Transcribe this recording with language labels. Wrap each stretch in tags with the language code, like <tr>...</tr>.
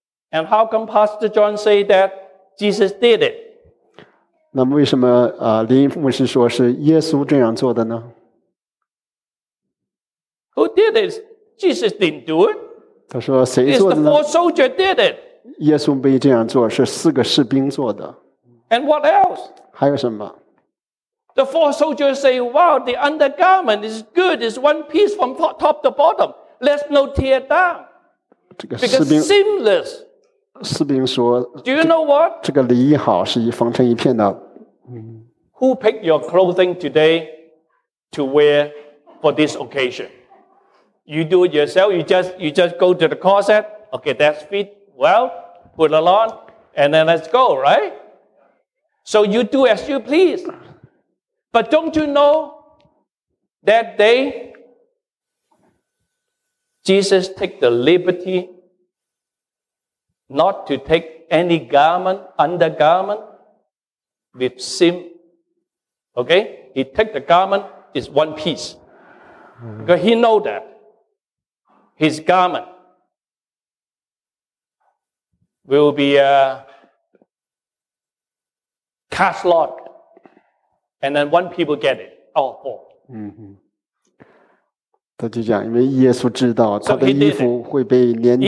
<en>And how come Pastor John say that Jesus did it?</en> <zh>那么为什么林牧师说是耶稣这样做的呢？</zh> <en>Who did it? Jesus didn't do it.</en> <zh>他说谁做的呢？</zh> <en>It's the four soldiers did it.</en> <zh>耶稣没这样做，是四个士兵做的。</zh> <en>And what else?</en> <zh>还有什么？</zh> <en>The four soldiers say, wow, the undergarment is good. It's one piece from top to bottom. Let's not tear down. Because seamless.</en> <zh>士兵说</zh> <en>Do you know what?</en> <zh>这个礼衣好是缝成一片的。</zh> <en>Who picked your clothing today to wear for this occasion? You do it yourself. You just go to the closet. Okay, that's fit. Well, put it on. And then let's go, right? So you do as you please. But don't you know that day Jesus took the liberty not to take any garment, undergarment with sin. Okay? He took the garment, it's one piece. Because he know that. His garment will be cast lot, and then one people get it, all four.</en> <zh>他就讲，因为耶稣知道他的衣服会被研究，</zh>